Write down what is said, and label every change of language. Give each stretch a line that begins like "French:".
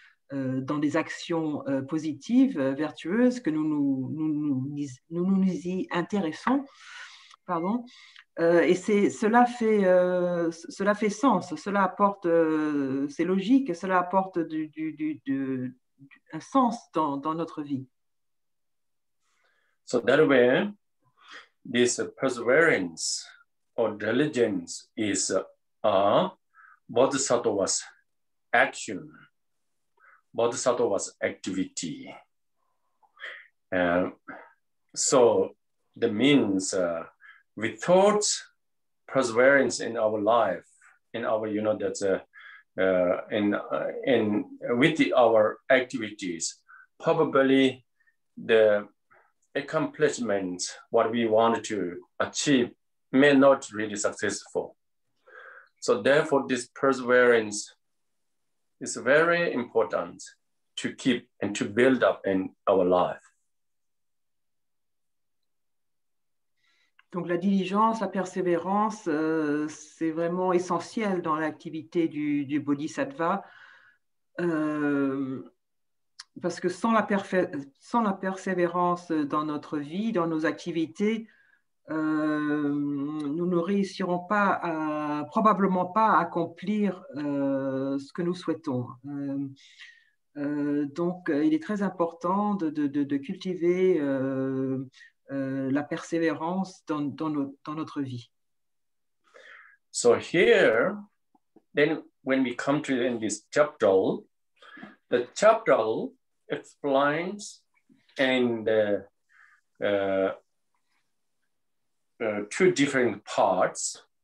French: Dans des actions positives, vertueuses, que nous y intéressons, pardon. Et c'est cela fait sens, cela apporte, c'est logique, cela apporte un sens dans notre vie.
English: So that way, this perseverance or diligence is a bodhisattva's action. Bodhisattva's activity. So that means without perseverance in our life, with our activities, probably the accomplishment, what we want to achieve, may not really successful. So therefore, this perseverance is very important to keep and to build up in our life.
French: Donc la diligence, la persévérance, c'est vraiment essentiel dans l'activité du bodhisattva, parce que sans la persévérance dans notre vie, dans nos activités, nous ne réussirons pas, probablement pas, à accomplir ce que nous souhaitons. Donc, il est très important de cultiver la persévérance dans notre vie.
English: So here, then when we come to in this chapter, the chapter explains two different parts.